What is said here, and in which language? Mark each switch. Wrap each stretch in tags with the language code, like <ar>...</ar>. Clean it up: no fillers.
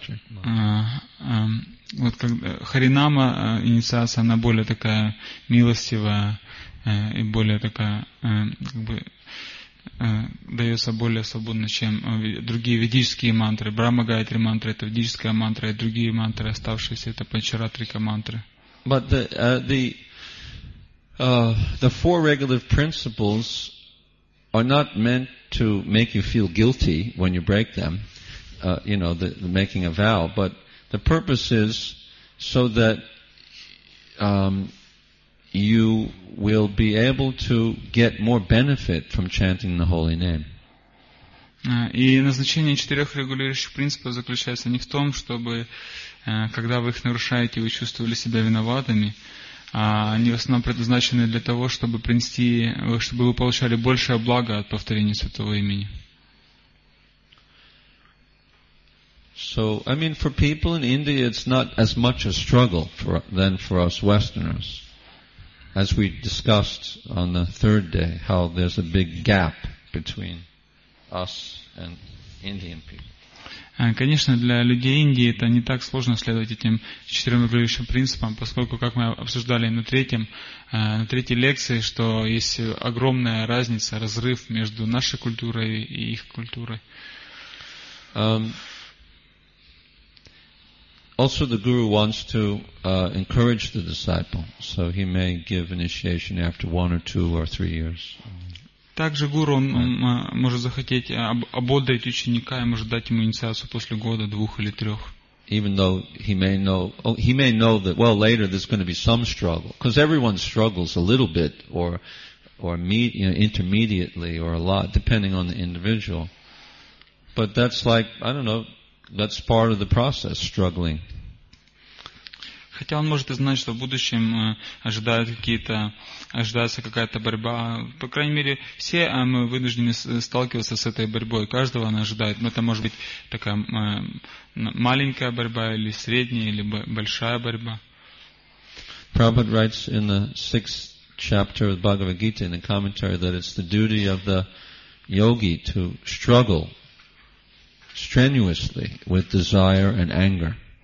<ru>Вот как Харинама инициация, она более такая милостивая и более такая как бы дается более свободно, чем другие ведические мантры. Брахма Гаятри мантра — это ведическая мантра, и другие мантры, оставшиеся, это Панчаратрика мантры.</ru> <en>But the four regulative principles are not meant to make you feel guilty when you break them. You know, the making a vow, but the purpose is so that you will be able to get more benefit from chanting the holy name.</en> <ru>И назначение четырех регулирующих принципов заключается не в том, чтобы, когда вы их нарушаете, вы чувствовали себя виноватыми. Они в основном предназначены для того, чтобы принести, чтобы вы получали большее благо от повторения святого имени.</ru> <en>So, I mean, for people in India, it's not as much a struggle for, than for us Westerners. As we discussed on the third day, how there's a big gap between us and Indian people.</en> <ru>Конечно, для людей Индии это не так сложно следовать этим четырем регулирующим принципам, поскольку, как мы обсуждали на третьей лекции, что есть огромная разница, разрыв между нашей культурой и их культурой.</ru> <en>Also, the guru wants to encourage the disciple, so he may give initiation after 1 or 2 or 3 years.</en> <ru>Также гуру может захотеть ободрить ученика и может дать ему инициацию после года, двух или трех.</ru> <en>Even though he may know that, well, later there's going to be some struggle, because everyone struggles a little bit intermediately or a lot, depending on the individual. But that's like, I don't know, that's part of the process, struggling.</en> <ru>Хотя он может и знать, что в будущем ожидается какая-то борьба. По крайней мере, все мы вынуждены сталкиваться с этой борьбой. Каждого она ожидает. Но это может быть такая маленькая борьба, или средняя, или большая борьба.</ru> <en>Prabhupada writes in the 6th chapter of the Bhagavad Gita in the commentary that it's the duty of the yogi to struggle strenuously with desire and anger.</en>